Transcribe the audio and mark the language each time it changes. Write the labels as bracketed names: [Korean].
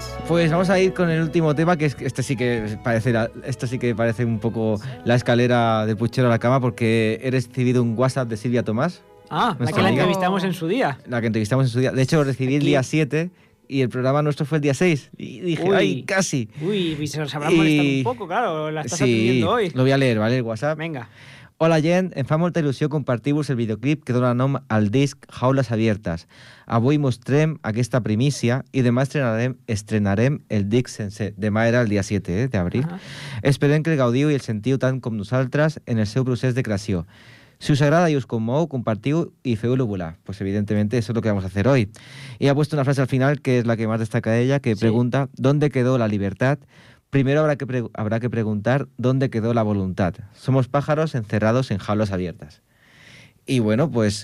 [Spanish] Pues vamos a ir con el último tema, que este sí que parece un poco la escalera del puchero a la cama, porque he recibido un WhatsApp de Silvia Tomás. Ah, la que entrevistamos en su día. De hecho, lo recibí el día 7 y el programa nuestro fue el día 6. Y dije, casi. Uy, se habrá molestado un poco, claro, la estás atendiendo hoy. Lo voy a leer, ¿vale? El WhatsApp. Venga. [Catalan] Hola, gent, em fa molta il·lusió compartir-vos el videoclip que dona nom al disc Jaules Abiertes. Avui mostrem aquesta primícia i demà estrenarem el disc sencer. Demà era el dia 7 d'abril. Uh-huh. Esperem que el gaudiu i el sentiu tant com nosaltres en el seu procés de creació. Si us agrada i us commou, compartiu i feu-lo volar. [Spanish] Pues evidentemente eso es lo que vamos a hacer hoy. I ha puesto una frase al final, que és la que más destaca ella, que pregunta, ¿dónde quedó la libertad? Primero habrá que preguntar dónde quedó la voluntad. Somos pájaros encerrados en jaulas abiertas. Y bueno, pues